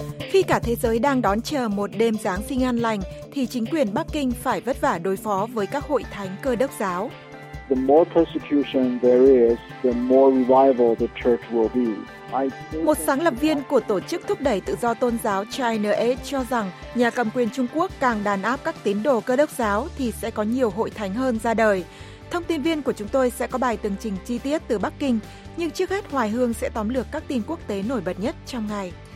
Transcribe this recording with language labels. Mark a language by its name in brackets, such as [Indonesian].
[Vietnamese] Khi cả thế giới đang đón chờ một đêm Giáng sinh an lành, thì chính quyền Bắc Kinh phải vất vả đối phó với các hội thánh Cơ Đốc giáo. [English] The more persecution there is, the more revival the church will be. [Vietnamese] Một sáng lập viên của Tổ chức Thúc đẩy Tự do Tôn giáo China Aid cho rằng nhà cầm quyền Trung Quốc càng đàn áp các tín đồ Cơ Đốc giáo thì sẽ có nhiều hội thánh hơn ra đời. Thông tin viên của chúng tôi sẽ có bài tường trình chi tiết từ Bắc Kinh, nhưng trước hết Hoài Hương sẽ tóm lược các tin quốc tế nổi bật nhất trong ngày.